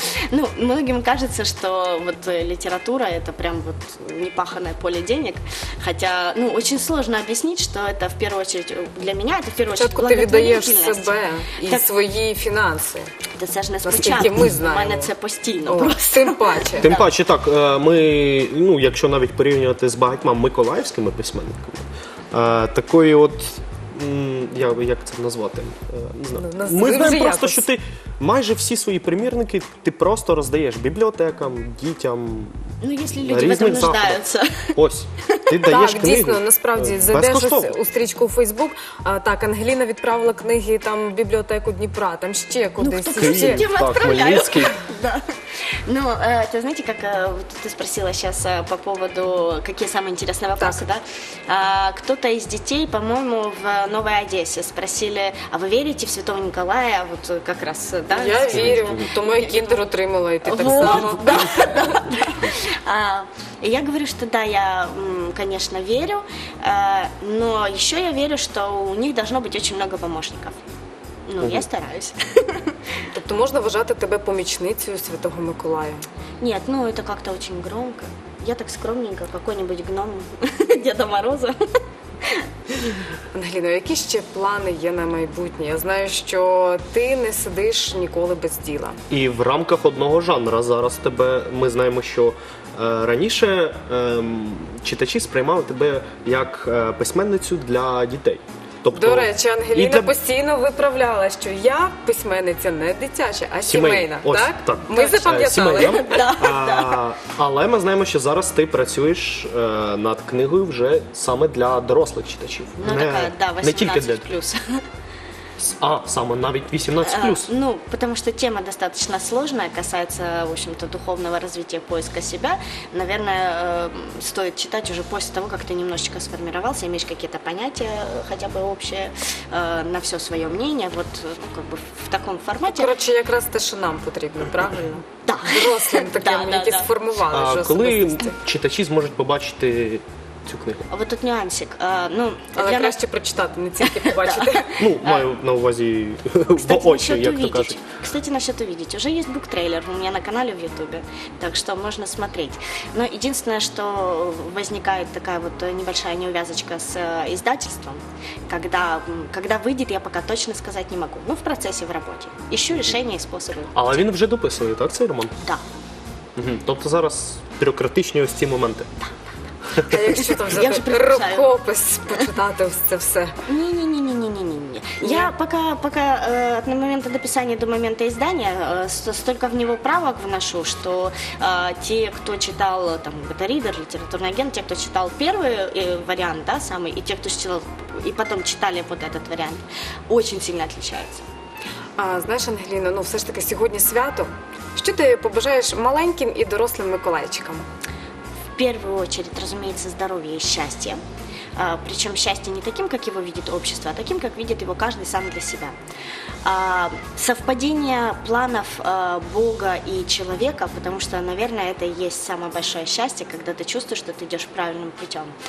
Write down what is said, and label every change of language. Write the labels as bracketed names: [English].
[Russian] Ну, многим кажется, что вот литература это прям вот непаханное поле денег, хотя, ну, очень сложно объяснить, что это в первую очередь, для меня это в первую очередь благотворительность. Откуда ты видаешь себе и свои финансы? Это совершенно спочатку, мы знаем. [Ukrainian] Мене це постійно просто. Тим паче, так, ми, ну, якщо навіть порівнювати з багатьма миколаївськими письменниками, такої от, як це назвати, не знаю. Ми знаємо просто, що ти майже всі свої примірники ти просто роздаєш бібліотекам, дітям. Ну, якщо люди в цьому нуждаються. Ось. Ти даєш книгу. Так, дійсно, насправді, зайдеш у стрічку у Фейсбук, так, Ангеліна відправила книги там в бібліотеку Дніпра, там ще кудись. Ну, хто ще дім відправляє? [Russian] Ну, ты знаете, как ты спросила сейчас по поводу, какие самые интересные вопросы, так. Да? Кто-то из детей, по-моему, в Новой Одессе спросили, а вы верите в Святого Николая? Вот как раз, да? Я верю, то мой киндер утримала, и ты так сказала. Я говорю, что да, я, конечно, верю, но еще я верю, что у них должно быть очень много помощников. Ну, я стараюсь. [Ukrainian] Тобто можна вважати тебе помічницею Святого Миколая? Ні, ну, це як-то дуже громко. Я так скромненько, який-небудь гном Деда Мороза. Ангеліно, які ще плани є на майбутнє? Я знаю, що ти не сидиш ніколи без діла. І в рамках одного жанру зараз тебе, ми знаємо, що раніше читачі сприймали тебе як письменницю для дітей. Тобто, до речі, Ангеліна для... постійно виправляла, що я письменниця не дитяча, а сімейна, так? Ми запам'ятали. Але ми знаємо, що зараз ти працюєш над книгою вже саме для дорослих читачів. Ну, не, така, да, 18 плюс. А, саме навіть 18+. [Russian] Ну, потому что тема достаточно сложная, касается, в общем-то, духовного развития, поиска себя. Наверное, стоит читать уже после того, как ты немножечко сформировался, имеешь какие-то понятия, хотя бы общие, на все свое мнение, вот, ну, как бы в таком формате. Короче, как раз то, что нам потребно, правильно? Да. Взрослым таким, [Ukrainian] які сформували. А коли читачі зможуть побачити... [Russian] А вот тут нюансик. [Ukrainian] Але краще прочитати, не тільки побачити. Ну, маю на увазі в очі, як то кажуть. [Russian] Кстати, насчет увидеть. Уже есть буктрейлер у меня на канале в Ютубе, так что можно смотреть. Но единственное, что возникает такая вот небольшая неувязочка с издательством, когда выйдет, я пока точно сказать не могу. Ну, в процессе, в работе. Ищу решения и способы. [Ukrainian] А він вже дописує, так, цей роман? [Russian] Да. [Ukrainian] Тобто зараз бюрократичні ось ці моменти. А якщо там взяти рукопис, почитати ось це все? Ні. Я пока на момент дописання до моменту іздання стільки в нього правок вношу, що ті, хто читав там Бета-Рідер, літературний агент, ті, хто читав перший варіант, да, самий, і ті, хто читав, і потім читали [Russian] вот этот [Ukrainian] варіант, дуже сильно відрізняються. А, знаєш, Ангеліно, ну все ж таки сьогодні свято. Що ти побажаєш маленьким і дорослим миколайчикам? [Russian] В первую очередь, разумеется, здоровье и счастье. Причем счастье не таким, как его видит общество, а таким, как видит его каждый сам для себя. Совпадение планов Бога и человека, потому что, наверное, это и есть самое большое счастье, когда ты чувствуешь, что ты идешь правильным путем.